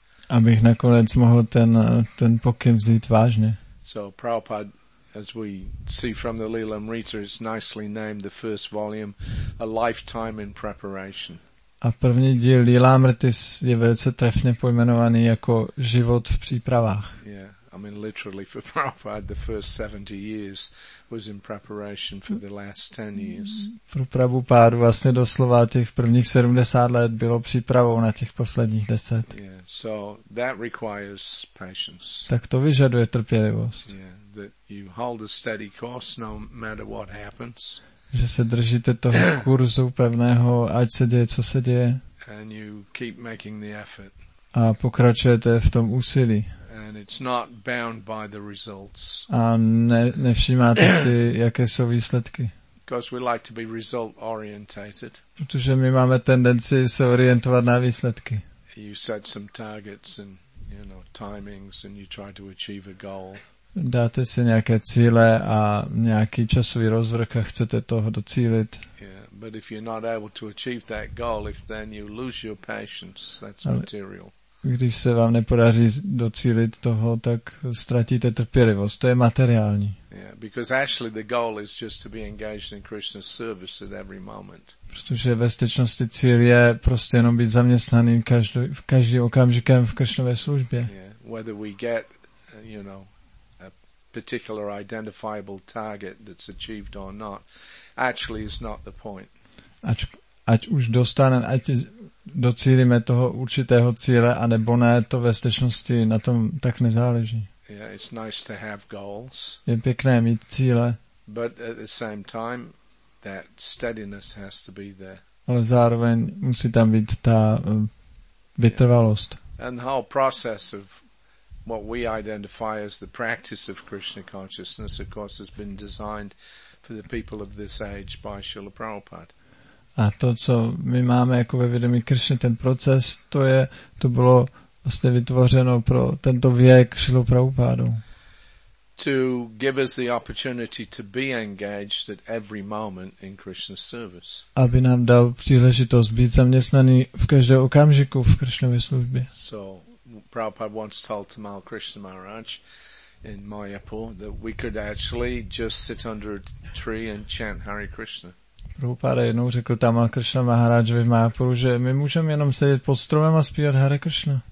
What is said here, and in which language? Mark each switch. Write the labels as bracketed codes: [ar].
[cs] Abych nakonec mohl ten pokyn vzít vážně. [en] So Prabhupada, as we see from the Lilamrita, is nicely named the first volume, A Lifetime in Preparation. [cs] A první díl Lilamrty je velice trefně pojmenovaný jako život v přípravách. [en] Yeah, I mean, literally for Prabhupada, the first 70 years was in preparation for the last 10 years. [cs] Pro Prabhupádu vlastně doslova těch prvních 70 let bylo přípravou na těch posledních 10. [en] Yeah, so that requires patience. [cs] Tak to vyžaduje trpělivost. [en] Yeah, that you hold a steady course no matter what happens. [cs] Že se držíte toho kurzu pevného, ať se děje, co se děje. [en] And you keep making the effort. [cs] A pokračujete v tom úsilí. [en] And it's not bound by the results. [cs] A nevšímáte si, jaké jsou výsledky. [en] Because we like to be result orientated. [cs] Protože my máme tendenci se orientovat na výsledky. [en] You set some targets and, you know, timings and you try to achieve a goal. [cs] Dáte si nějaké cíle a nějaký časový rozvrh a chcete toho docílit. [en] Yeah, but if you're not able to achieve that goal, if then you lose your patience, that's material. [cs] Když se vám nepodaří docílit toho, tak ztratíte trpělivost. To je materiální. [en] Yeah, because actually the goal is just to be engaged in Krishna's service at every moment. [cs] Protože ve skutečnosti cíl je prostě jenom být zaměstnaným každým okamžikem v Krishnově službě. [en] Yeah, whether we get, you know, particular identifiable target that's achieved or not actually is not the point. [cs] Ať už dostaneme, ať docílíme toho určitého cíle a nebo ne, to ve skutečnosti na tom tak nezáleží. [en] Yeah, it's nice to have goals. [cs] Je pěkné mít cíle. [en] But at the same time that steadiness has to be there. [cs] Ale zároveň musí tam být ta vytrvalost. [en] Yeah. And the whole process of what we identify as the practice of Krishna consciousness, of course, has been designed for the people of this age by Srila Prabhupada. [cs] A to, co my máme jako ve vědomí Krishna, ten proces, to bylo vlastně vytvořeno pro tento věk Srila Prabhupada. [en] To give us the opportunity to be engaged at every moment in Krishna's service. [cs] Aby nám dal příležitost být zaměstnaný v každém okamžiku v Krishnově službě. [en] So, Prabhupada once told Tamal Krishna Maharaj in Mayapur that we could actually just sit under a tree and chant Hare Krishna. [cs] Prabhupada jednou řekl Tamal Krishna Maharajovi v Mayapuru, že my můžeme jenom sedět pod stromem a zpívat Hare Krishna.